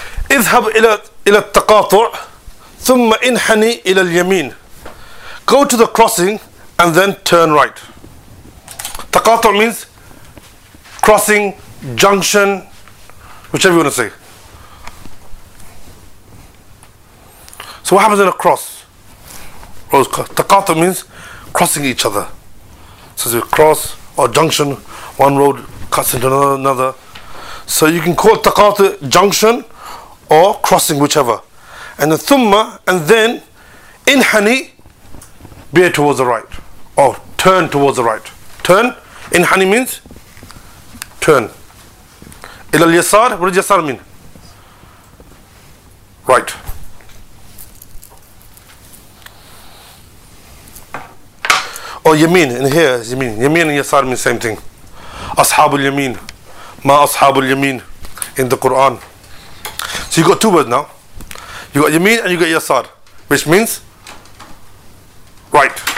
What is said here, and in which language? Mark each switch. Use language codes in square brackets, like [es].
[ar] اذهب إلى التقاطع ثم انحني إلى اليمين. [en] Go to the crossing and then turn right. تقاطع means crossing, junction, whichever you want to say. So what happens in a cross? تقاطع means crossing each other. So it's a cross or junction, one road cuts into another. So you can call تقاطع junction or crossing, whichever. And then ثُمَّ and then انحني bear towards the right or turn towards the right. Turn, انحني means turn. إلى اليسار, what does يسار mean? Right. Or يمين, in here is يمين. يمين and يسار mean same thing. [ar] أصحاب اليمين, ما أصحاب اليمين in the Quran. [en] So you got two words now. You got يمين and you got يسار, which means right.